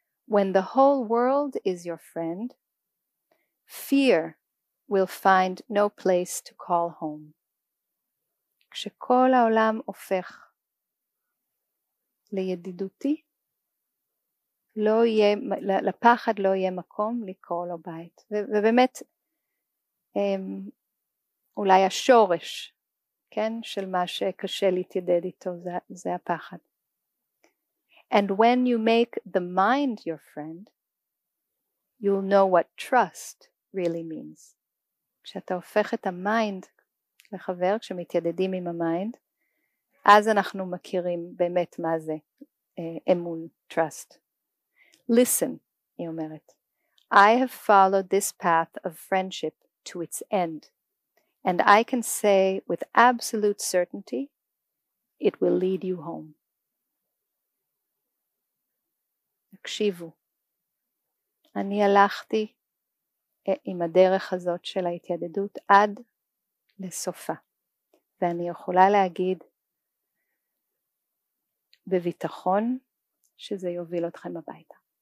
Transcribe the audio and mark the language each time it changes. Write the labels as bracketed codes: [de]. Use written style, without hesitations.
[en] When the whole world is your friend, fear will find no place to call home. [he] כשכל העולם הופך לידידותי, לא יהיה, לפחד לא יהיה מקום לקרוא לו בית. ובאמת, אולי השורש, כן, של מה שקשה להתיידד איתו, זה הפחד. [en] And when you make the mind your friend, you'll know what trust really means. [he] כשאתה הופך את המיינד לחבר, כשמתיידדים עם המיינד, אז אנחנו מכירים באמת מה זה אמון, trust. [en] Listen, [he] היא אומרת, [en] I have followed this path of friendship to its end, and I can say with absolute certainty, it will lead you home. [he] תקשיבו, אני הלכתי עם הדרך הזאת של ההתיידדות עד לסופה, ואני יכולה להגיד בביטחון שזה יוביל אתכם הביתה.